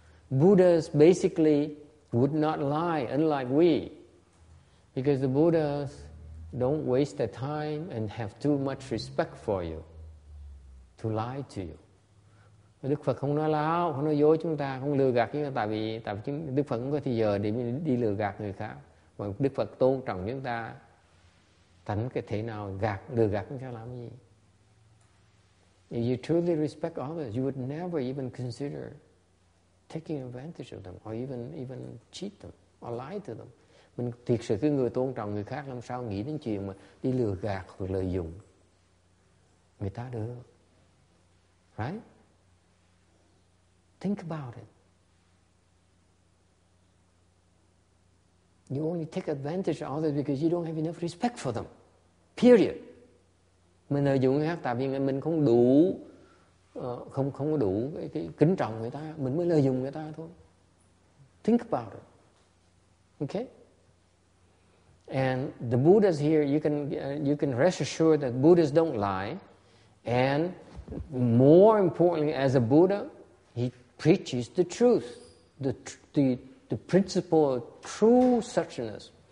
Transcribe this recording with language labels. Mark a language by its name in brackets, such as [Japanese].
[English] Buddhas basically would not lie, unlike we, because the Buddhas don't waste their time and have too much respect for you to lie to you. [Vietnamese] Đức Phật không nói láo, không nói dối chúng ta, không lừa gạt chúng ta, tại vì Đức Phật không có thời giờ để đi lừa gạt người khác. Mà Đức Phật tôn trọng chúng ta, thánh cái thế nào gạt, lừa gạt chúng ta làm gì? [English] If you truly respect others, you would never even consider taking advantage of them, or even cheat them, or lie to them. [Vietnamese] mình thiệt sự cái người tôn trọng người khác làm sao nghĩ đến chuyện mà đi lừa gạt hoặc lợi dụng người ta được. [English] Right? Think about it. You only take advantage of others because you don't have enough respect for them. Period. [Vietnamese] Mình lợi dụng người khác tại vì mình không đủ không có đủ cái kính trọng người ta, mình mới lợi dụng người ta thôi. [English] Think about it. Okay? And the Buddhas here, you can rest assured that Buddhas don't lie. And more importantly, as a Buddha, he preaches the truth, the principle of true suchness.